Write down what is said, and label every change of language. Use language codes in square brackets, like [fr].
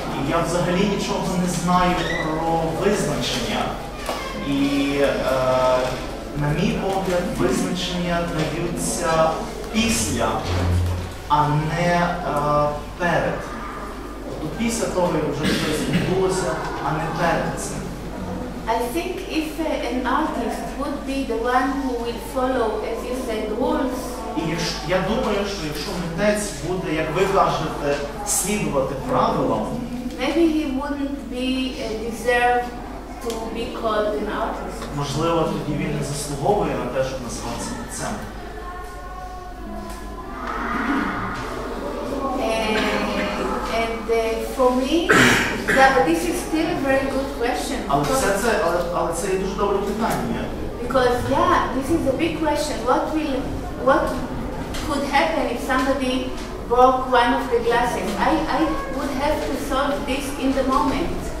[uk] Я взагалі нічого не знаю про визначення. І на мій погляд, визначення даються після, а не перед. Тобто після того, як вже щось відбулося, а не перед цим. [en] I think if an artist would be the one who will follow, as you said, rules. [uk] І я думаю, що якщо митець буде, як ви кажете, слідувати правилам, [en] maybe he wouldn't be deserve to be called an artist. [uk] Можливо, тоді він не заслуговує на те, щоб називатися митцем. [en] And for me, this is still a very good question. [uk] Але це дуже добре питання. [en] Because yeah, this is a big question. What could happen if somebody broke one of the glasses? I would have to solve this in the moment.